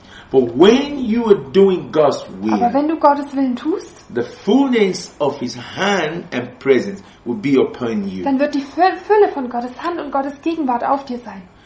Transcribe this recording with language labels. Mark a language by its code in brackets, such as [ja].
[en] But when you are doing God's will, [de] aber wenn du Gottes Willen tust, [en] the fullness of His hand and presence will be upon you. [de] Dann wird die Fülle von Gottes Hand und Gottes Gegenwart auf dir sein.